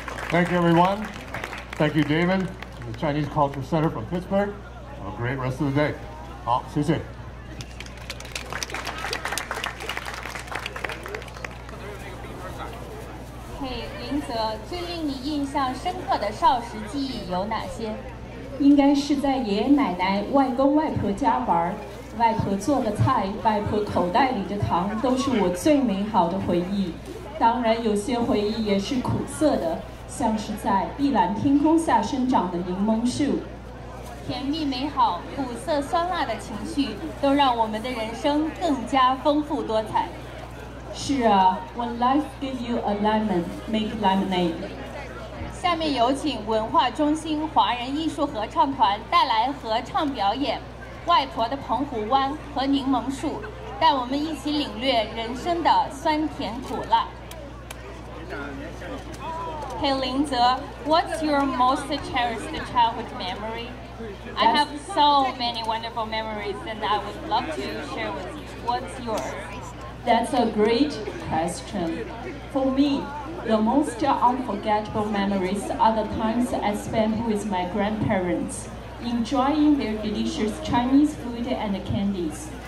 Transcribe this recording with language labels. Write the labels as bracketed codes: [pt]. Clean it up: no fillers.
[en] Thank you, everyone. Thank you, David, from the Chinese Culture Center from Pittsburgh. Have a great rest of the day. [zh] 好，谢谢。 Hey, 林泽，最令你印象深刻的少时记忆有哪些？应该是在爷爷奶奶、外公外婆家玩，外婆做的菜，外婆口袋里的糖，都是我最美好的回忆。当然，有些回忆也是苦涩的。像是在碧蓝天空下生长的柠檬树，甜蜜美好、苦涩酸辣的情绪都让我们的人生更加丰富多彩。 [en] 是啊， When life gives you a lemon, make lemonade。 [zh] 下面有请文化中心华人艺术合唱团带来合唱表演《外婆的澎湖湾》和《柠檬树》，带我们一起领略人生的酸甜苦辣。 [en] Hey, Lin Ze, what's your most cherished childhood memory? I have so many wonderful memories and I would love to share with you. What's yours? That's a great question. For me, the most unforgettable memories are the times I spent with my grandparents, enjoying their delicious Chinese food and candies.